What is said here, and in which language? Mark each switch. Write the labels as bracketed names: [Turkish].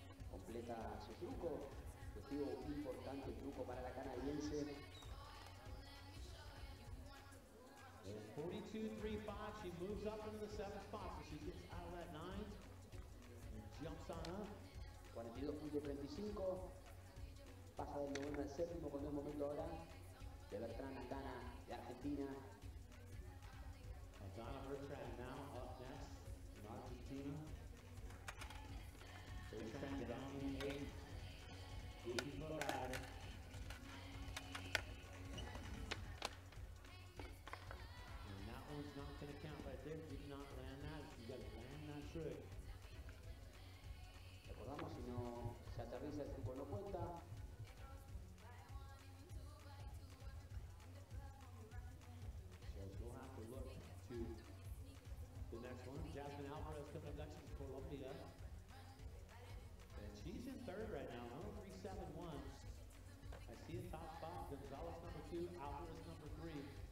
[Spanish] Completa su truco. Objetivo importante, truco para la canadiense. [English] 42.35, she moves up into the 7th spot, so she gets out of that 9, and jumps on up. [Spanish] 42.35, pasa del 9 al 7, con el momento ahora, de Bertrand Aldana, de Argentina. [English] Aldana Bertrand now up next, in Argentina. So he's trying to down in the 8th. Looking for Ryder. It's not going to count right there. Did not land that. You got to land that trick. [Spanish] Recordamos, si no se aterriza el truco no cuenta. [English] So we'll have to look to the next one. Jasmine Alvarez coming next from Colombia. And she's in third right now. 1-3-7-1. I see the top spot. Gonzalez number two, Alvarez number three.